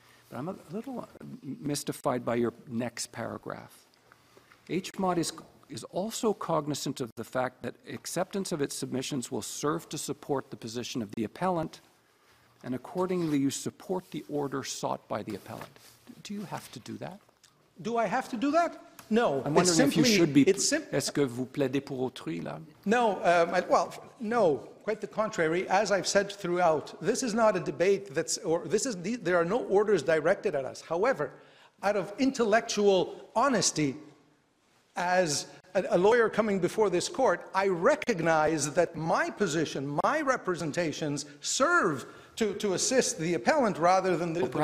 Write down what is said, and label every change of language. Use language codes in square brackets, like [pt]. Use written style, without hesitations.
[en] But I'm a little mystified by your next paragraph. HMOD is also cognizant of the fact that acceptance of its submissions will serve to support the position of the appellant and accordingly you support the order sought by the appellant. Do you have to do that? Do I have to do that? No. I'm wondering if you should be. [fr] Est-ce que vous plaidez pour autrui, là? [en] No. No. Quite the contrary. As I've said throughout, this is not a debate. There are no orders directed at us. However, out of intellectual honesty, as a lawyer coming before this court, I recognize that my position, my representations, serve to assist the appellant rather than the